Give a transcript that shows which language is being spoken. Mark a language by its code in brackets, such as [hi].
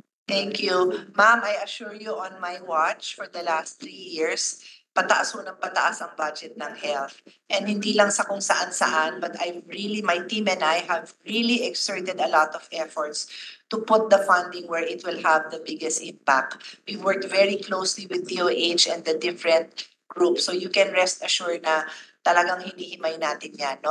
[en] Thank you. Ma'am, I assure you on my watch for the last 3 years, [tl] pataas ho ng pataas ang budget ng health. [en] And [tl] hindi lang sa kung saan-saan, [en] but my team and I have really exerted a lot of efforts to put the funding where it will have the biggest impact. We've worked very closely with DOH and the different groups, so you can rest assured [tl] na talagang hinihimay natin yan, [en] no?